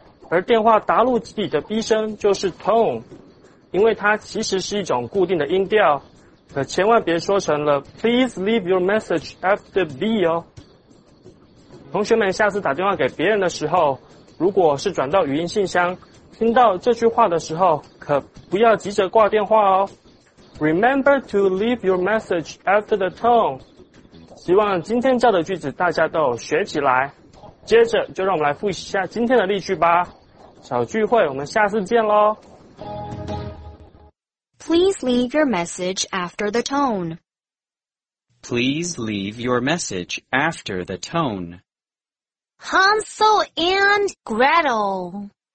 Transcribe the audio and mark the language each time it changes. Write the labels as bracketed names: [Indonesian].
[Chinese] 而电话答录机里的 B 声就是 tone， 因为它其实是一种固定的音调，可千万别说成了 [English] Please leave your message after B [Chinese] 哦。同学们下次打电话给别人的时候，如果是转到语音信箱，听到这句话的时候，可不要急着挂电话哦。 [English] Remember to leave your message after the tone. [Chinese] 希望今天教的句子大家都有学起来。接着就让我们来复习一下今天的例句吧。小聚会，我们下次见咯。 [English] Please leave your message after the tone. Please leave your message after the tone. Hansel and Gretel.